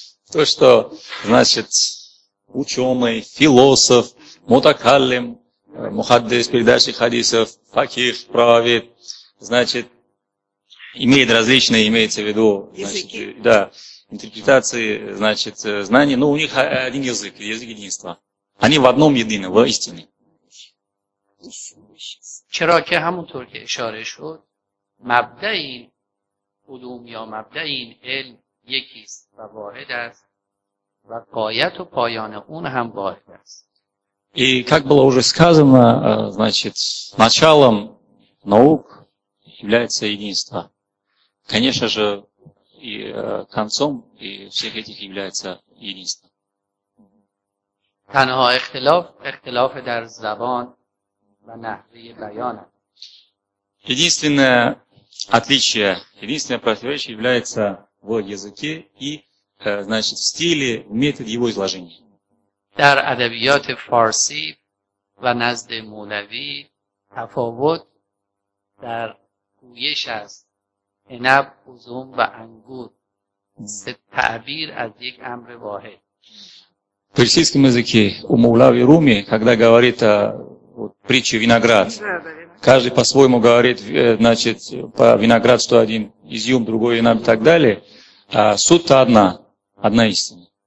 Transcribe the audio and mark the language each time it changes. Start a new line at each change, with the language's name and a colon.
Russian: то что значит ученый, философ, мутакаллим, мухаддис, передачи хадисов, факих, правовед, значит, имеет различные, имеется в виду, значит, да, интерпретации, значит, знания, но у них один язык, язык единства. Они в одном едины, в истине.
Persian: چرا که همونطور که اشاره شد مبدأ این علوم یا مبدأ این علم یکیست و واحد است و غایت و پایان اون هم واحد است.
Russian: И как было уже сказано, значит, началом наук является единство. Конечно же, и концом и всех этих является единство.
Persian: تنها اختلاف در زبان و نحوه بیان.
Russian: Единственное отличие, единственное противоречие является в языке и, значит, в стиле, в методе его изложения.
Persian: در ادبیات فارسی و نزد مولوی تفاوت در گویش است. عنب، عزوم و انگور سه تعبیر از یک امر واحد.
Russian: В персидском языке у Мулави Руми, когда говорит вот притча виноград. Каждый по-своему говорит, значит, по виноград, что один изюм, другой виноград и так далее. А суть-то одна, одна истина.